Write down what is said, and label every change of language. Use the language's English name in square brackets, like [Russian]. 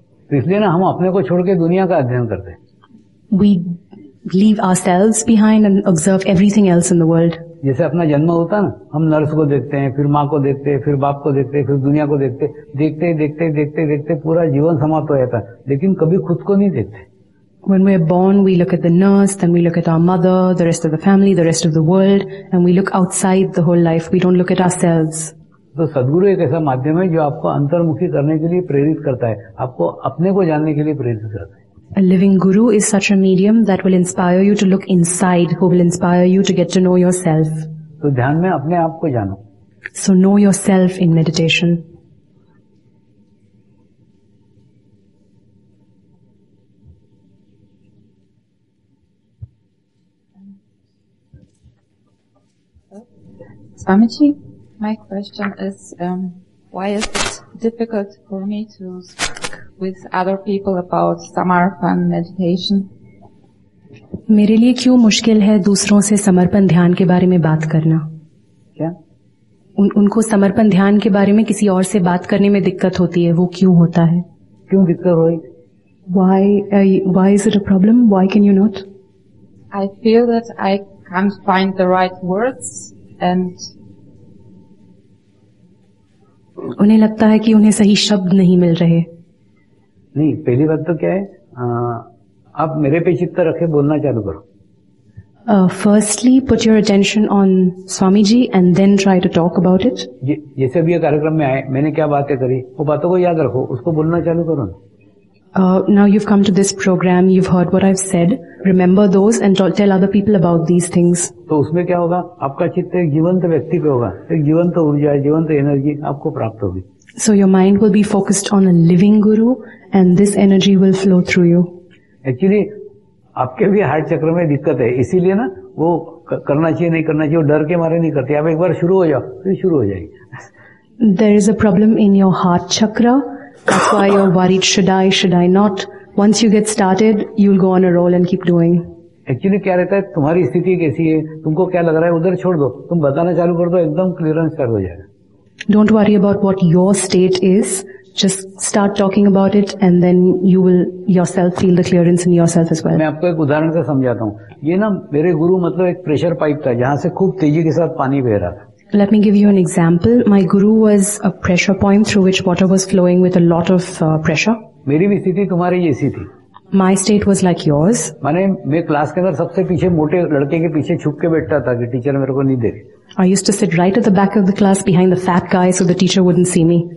[Hindi] इसलिए ना हम अपने को छोड़ के दुनिया का अध्ययन करते [English] we leave our cells behind and observe everything else in the world [Hindi] जैसे अपना जन्म होता ना हम नर्स को देखते हैं फिर माँ को देखते हैं फिर बाप को देखते हैं फिर दुनिया को देखते देखते देखते देखते देखते पूरा जीवन समाप्त हो जाता है लेकिन कभी खुद को नहीं देखते [English] When we are born, we look at the nurse, then we look at our mother, the rest of the family, the rest of the world, and we look outside the whole life. We don't look at ourselves. [Hindi] तो सदगुरु एक ऐसा माध्यम है जो आपको अंतर्मुखी करने के लिए प्रेरित करता है आपको अपने को जानने के लिए प्रेरित करता है [English] A living guru is such a medium that will inspire you to look inside, who will inspire you to get to know yourself. [Hindi] तो ध्यान में अपने आप को जानो [English] So know yourself in meditation. Swamiji? My question is, why is it difficult for me to speak with other people about samarpan meditation? [Hindi] मेरे लिए क्यों मुश्किल है दूसरों से समर्पण ध्यान के बारे में बात करना? क्या? उनको समर्पण ध्यान के बारे में किसी और से बात करने में दिक्कत होती है वो क्यों होता है क्यों दिक्कत होगी? [English] Why is it a problem? Why can you not? I feel that I can't find the right words and [Hindi] उन्हें लगता है कि उन्हें सही शब्द नहीं मिल रहे नहीं पहली बात तो क्या है आप मेरे पे चित्त रखे बोलना चालू करो [English] firstly put your attention on Swami ji and then try to talk about it [Hindi] जैसे भी ये कार्यक्रम में आए मैंने क्या बातें करी वो बातों को याद रखो उसको बोलना चालू करो [English] now you have come to this program you have heard what I have said remember those and tell other people about these things [Hindi] तो उसमें क्या होगा आपका चित्त एक जीवंत व्यक्ति पे होगा एक जीवंत ऊर्जा जीवंत एनर्जी आपको प्राप्त होगी [English] so your mind will be focused on a living guru and this energy will flow through you [Hindi] actually आपके भी हार्ट चक्र में दिक्कत है इसीलिए ना वो करना चाहिए नहीं करना चाहिए वो डर के मारे नहीं करते आप एक बार शुरू हो जाओ फिर शुरू हो जाएगी [English] There is a problem in your heart chakra That's why you're worried, should I not? Once you get started, you'll go on a roll and keep doing. [Hindi] Actually, क्या रहता है तुम्हारी स्थिति कैसी है तुमको क्या लग रहा है उधर छोड़ दो तुम बताना चालू कर दो एकदम क्लियरेंस कर दो जाएगा [English] Don't worry about what your state is. Just start talking about it and then you will yourself feel the clearance in yourself as well. [Hindi] मैं आपको एक उदाहरण से समझाता हूँ. ये ना मेरे गुरु मतलब एक प्रेशर पाइप था जहाँ से खूब तेजी के साथ पानी बह रहा था. [English] Let me give you an example. My guru was a pressure point through which water was flowing with a lot of pressure. [Hindi] मेरी भी स्थिति तुम्हारी जैसी थी. [English] My state was like yours. [Hindi] माने मैं क्लास के अंदर सबसे पीछे मोटे लड़के के पीछे छुप के बैठता था कि टीचर मेरे को नहीं देखे. [English] I used to sit right at the back of the class behind the fat guy so the teacher wouldn't see me.